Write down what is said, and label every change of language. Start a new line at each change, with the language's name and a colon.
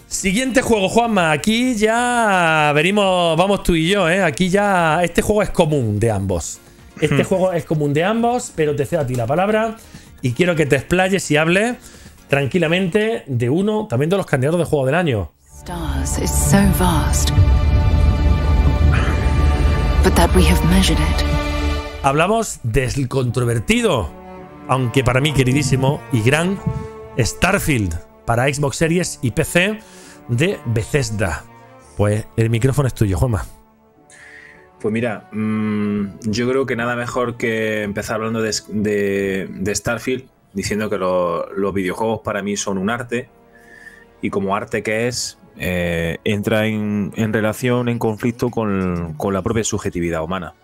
Spanish: Siguiente juego, Juanma. Aquí ya venimos, vamos tú y yo, ¿eh? Aquí ya, este juego es común de ambos. Este juego es común de ambos, pero te cedo a ti la palabra y quiero que te explayes y hables tranquilamente de uno, también de los candidatos de juego del año.
English: Stars is so vast, but that we have measured it.
Spanish: Hablamos del controvertido, aunque para mí queridísimo y gran, Starfield. Para Xbox Series y PC de Bethesda. Pues el micrófono es tuyo, Juanma. Pues mira, yo creo que nada mejor que empezar hablando de Starfield, diciendo que los videojuegos para mí son un arte, y como arte que es, entra en relación, en conflicto con la propia subjetividad humana.